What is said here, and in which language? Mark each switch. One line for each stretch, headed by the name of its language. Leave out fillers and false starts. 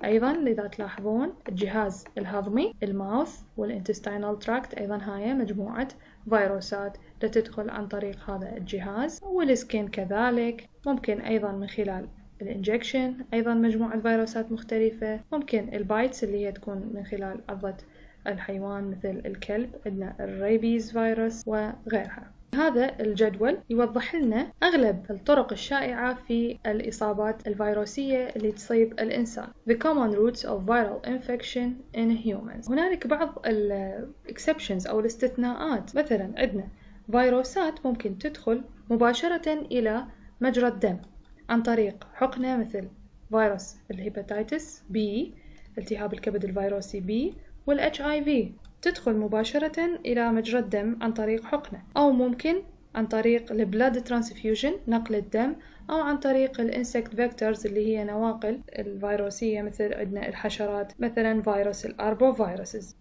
Arabic: أيضا إذا تلاحظون الجهاز الهضمي، الماوث والإنتستينال تراكت، أيضا هاي مجموعة فيروسات لتدخل عن طريق هذا الجهاز، والسكين كذلك، ممكن أيضا من خلال الإنجكشن أيضا مجموعة فيروسات مختلفة، ممكن البايتس اللي هي تكون من خلال عضة الحيوان مثل الكلب، عندنا الريبيز فيروس وغيرها. هذا الجدول يوضح لنا أغلب الطرق الشائعة في الإصابات الفيروسية اللي تصيب الإنسان.
English: The common routes of viral infection in humans.
Arabic: هناك بعض الـ exceptions أو الاستثناءات، مثلا عندنا فيروسات ممكن تدخل مباشرة إلى مجرى الدم عن طريق حقنة مثل فيروس الهيباتيتس بي، التهاب الكبد الفيروسي بي، والـ HIV تدخل مباشرة إلى مجرى الدم عن طريق حقنة، أو ممكن عن طريق blood transfusion نقل الدم، أو عن طريق insect vectors اللي هي نواقل الفيروسية مثل عندنا الحشرات مثلا فيروس الأربو فيروسز.